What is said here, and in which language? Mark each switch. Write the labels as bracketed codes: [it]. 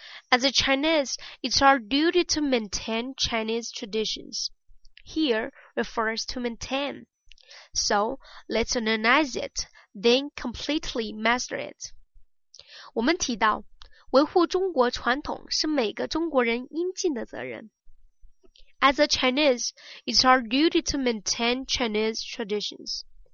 [en] As a Chinese, it's our duty to maintain Chinese traditions. Here refers to maintain. So, let's analyze it, then completely master it. [zh] 我们提到，维护中国传统是每个中国人应尽的责任。 [en] As a Chinese, it's our duty to maintain Chinese traditions.